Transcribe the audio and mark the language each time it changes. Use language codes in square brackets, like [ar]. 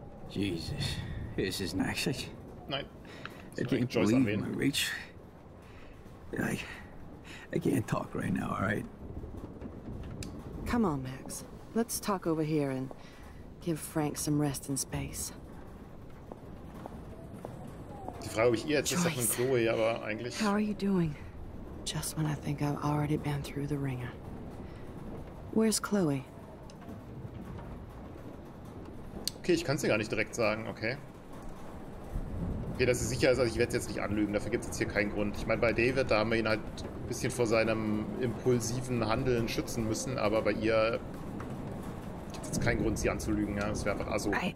[en] Jesus. This is Max. I can't talk right now, all right? Come on, Max. Let's talk over here and give Frank some rest and space. [de] Die Frage, ob ich ihr jetzt von Chloe, aber eigentlich... [en] How are you doing? Just when I think I've already been through the ringer. Where's Chloe? [de] Okay, ich kann es dir gar nicht direkt sagen, okay? Okay, dass sie sicher ist, also ich werde es jetzt nicht anlügen. Dafür gibt es jetzt hier keinen Grund. Ich meine, bei David, da haben wir ihn halt ein bisschen vor seinem impulsiven Handeln schützen müssen, aber bei ihr gibt es jetzt keinen Grund, sie anzulügen. Ja, es wäre einfach so.